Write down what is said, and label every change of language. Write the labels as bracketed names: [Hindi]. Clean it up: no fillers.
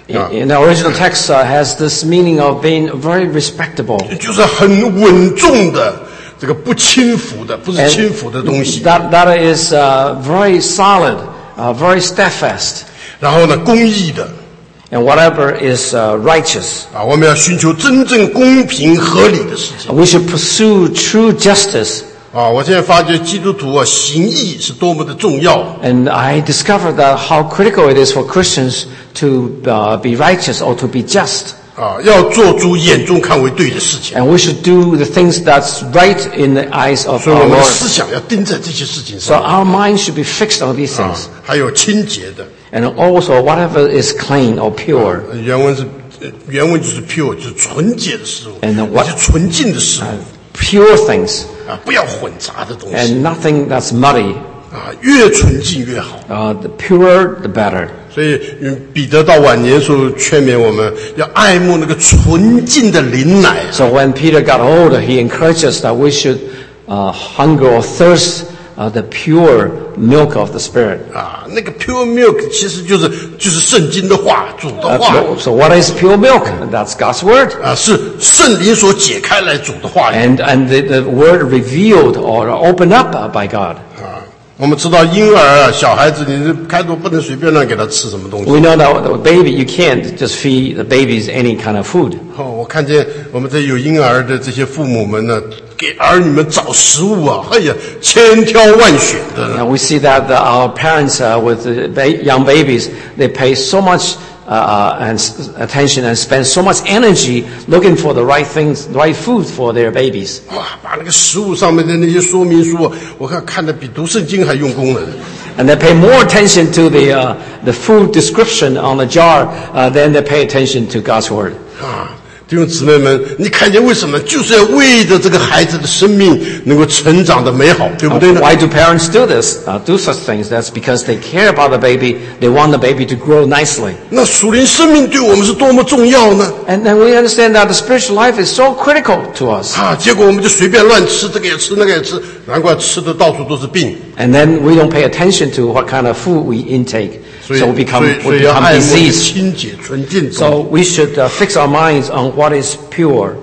[English] In the original text has this meaning of being very respectable. [Chinese] 就是很稳重的，这个不轻浮的，不是轻浮的东西。 [English] That is very solid, very steadfast. [Chinese] 然后呢，公义的。 [English] And whatever is righteous. [Chinese] 我们要寻求真正公平合理的事情。 [English] We should pursue true justice. [Chinese] 我现在发觉基督徒行义是多么的重要。 [English] And I discovered that how critical it is for Christians. To be righteous or to be just. [Chinese] 要做出眼中看为对的事情。 [English] And we should do the things that's right in the eyes of our Lord. [Chinese] 所以我们的思想要盯在这些事情上。 [English] So our mind should be fixed on these things. [Chinese] 还有清洁的。 [English] And also whatever is clean or pure. [Chinese] 原文就是 pure, 就是纯洁的事物。 [English] And what? [Chinese] 就是纯净的事物。 [English] Pure things. [Chinese] 不要混杂的东西。 [English] And nothing that's muddy. [Chinese] 啊，越纯净越好。 [English] 啊、the purer the better。 [Chinese] 所以，彼得到晚年时候劝勉我们要爱慕那个纯净的灵奶。 [English] So when Peter got old, he encouraged us that we should, hunger or thirst, the pure milk of the Spirit. [Chinese] 啊，那个 pure milk 其实就是圣经的话，主的话。 [English] So what is pure milk? That's God's word. [Chinese] 啊，是圣灵所解开来主的话。 [English] And the word revealed or opened up by God. 啊。 [Chinese] 我们知道婴儿啊，小孩子，你开头不能随便乱给他吃什么东西。 [English] We know that the baby, you can't just feed the babies any kind of food. [Chinese] 哦，我看见我们这有婴儿的这些父母们呢，给儿女们找食物啊，哎呀，千挑万选的。 [English] Now we see that our parents with the young babies, they pay so much and attention and spend so much energy looking for the right things, right food for their babies. [Chinese] 哇，把那个食物上面的那些说明书，我看得比读圣经还用功呢。 [English] And they pay more attention to the food description on the jar than they pay attention to God's word. [Chinese] 啊，弟兄姊妹们，你看见为什么？就是要为着这个孩子的生命能够成长的美好，对不对呢？ [English] Why do parents do this? Do such things? That's because they care about the baby. They want the baby to grow nicely. [Chinese] 那属灵生命对我们是多么重要呢？ [English] And then we understand that the spiritual life is so critical to us. [Chinese] 啊，结果我们就随便乱吃，这个也吃，那个也吃，难怪吃的到处都是病。 [English] And then we don't pay attention to what kind of food we intake. [Chinese] 所以要爱慕清洁纯净。 [English] So we should fix our minds on what is pure.